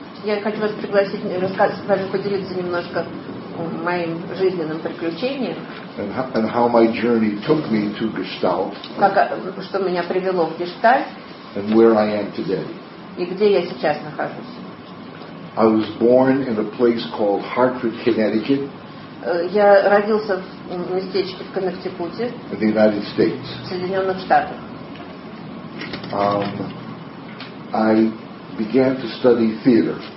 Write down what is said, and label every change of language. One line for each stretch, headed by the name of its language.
Russian: Я хочу вас пригласить, рассказать, даже поделиться немножко моим жизненным приключением.
English: And how my journey took me to Gestalt.
Russian: Как, что меня привело в Гештальт.
English: And where I am today.
Russian: И где я сейчас нахожусь.
English: I was born in a place called Hartford, Connecticut.
Russian: Я родился в местечке в Коннектикуте.
English: In the United States.
Russian: В Соединенных Штатах.
English: I began to study theater.